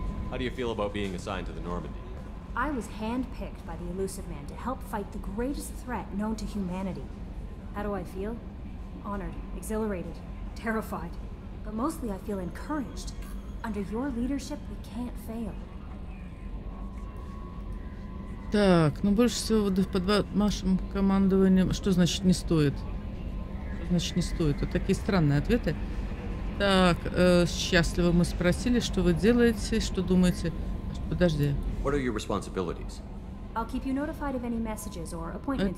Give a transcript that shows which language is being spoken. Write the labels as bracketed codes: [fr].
[en] How do you feel about being assigned to the Normandy? I was handpicked by the Elusive Man to help fight the greatest threat known to humanity. How do I feel? Honored, exhilarated, terrified, but mostly I feel encouraged. Under your leadership, we can't fail. [ru] Так, ну больше всего под вашим командованием. Что значит не стоит? Что значит не стоит? Вот такие странные ответы. Так, счастливо мы спросили, что вы делаете, что думаете. Подожди. [en] What are your responsibilities? I'll keep you notified of any messages or appointments.